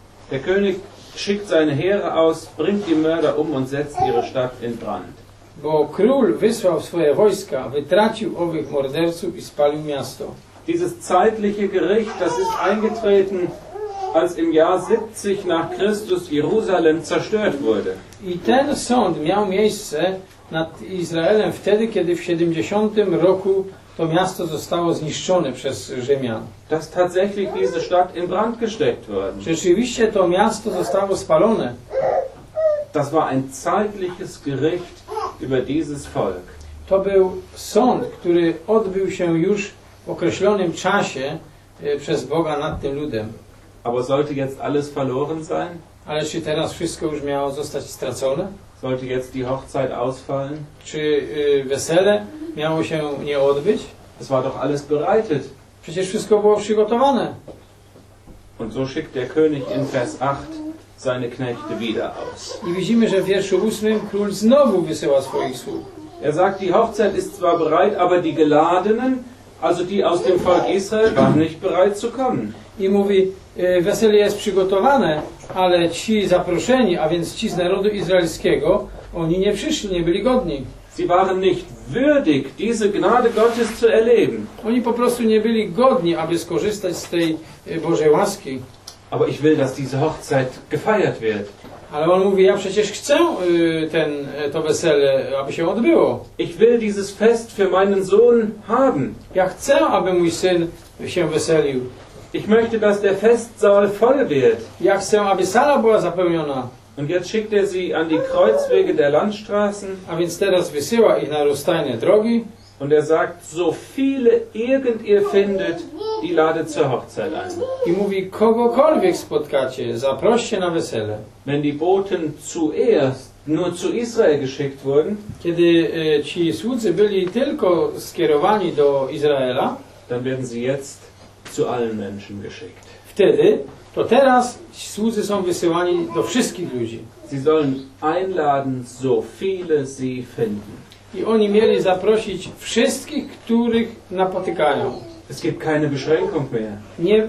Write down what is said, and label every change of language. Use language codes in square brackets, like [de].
[de] Der König schickt seine Heere aus, bringt die Mörder um und setzt ihre Stadt in Brand. [pl] Bo król wysłał swoje wojska, wytracił owych morderców i spalił miasto. [de] Dieses zeitliche Gericht, das ist eingetreten, als im Jahr 70 nach Christus Jerusalem zerstört wurde. [pl] I ten sąd miał miejsce nad Izraelem wtedy, kiedy w 70 roku to miasto zostało zniszczone przez Rzymian. [de] Dass tatsächlich diese Stadt in Brand gesteckt wurde. [pl] Rzeczywiście to miasto zostało spalone. [de] Das war ein zeitliches Gericht über dieses Volk. [pl] To był sąd, który odbył się już w określonym czasie przez Boga nad tym ludem. [de] Aber sollte jetzt alles verloren sein? [pl] Ale czy teraz wszystko już miało zostać stracone? [de] Sollte jetzt die Hochzeit ausfallen? [pl] Czy wesele miało się nie odbyć? [de] Es war doch alles bereitet. [pl] Przecież wszystko było przygotowane. [de] Und so schickt der König in Vers 8 seine Knechte wieder aus. [pl] I widzimy, że w wierszu 8 król znowu wysyła swoich sług. [de] Er sagt, die Hochzeit ist zwar bereit, aber die Geladenen, also die aus dem Volk Israel, waren nicht bereit zu kommen. [pl] I mówi, wesele jest przygotowane, ale ci zaproszeni, a więc ci z narodu izraelskiego, oni nie przyszli, nie byli godni. [de] Sie waren nicht würdig, diese Gnade Gottes zu erleben. [pl] Oni po prostu nie byli godni, aby skorzystać z tej Bożej łaski. [de] Aber ich will, dass diese Hochzeit gefeiert wird. [pl] Ale on mówi, ja przecież chcę to wesele, aby się odbyło. [de] Ich will dieses Fest für meinen Sohn haben. [pl] Ja chcę, aby mój syn się weselił. [de] Ich möchte, dass der Festsaal voll wird. [pl] Ja chcę, aby sala była zapełniona. [de] Und jetzt schickt er sie an die Kreuzwege der Landstraßen. [pl] A więc teraz wysyła ich na rozstajne drogi. [de] Und er sagt, so viele irgend ihr findet, die ladet zur Hochzeit ein. [pl] I mówi, kogokolwiek spotkacie, zaproście na wesele. [de] Wenn die Boten zuerst nur zu Israel geschickt wurden, [pl] kiedy ci słudzy byli tylko skierowani do Izraela, [de] dann werden sie jetzt zu allen Menschen geschickt. [pl] Wtedy, to teraz słudzy są wysyłani do wszystkich ludzi. [de] Sie sollen einladen, so viele sie finden. [pl] I oni mieli zaprosić wszystkich, których napotykają. [de] Es gibt keine Beschränkung mehr.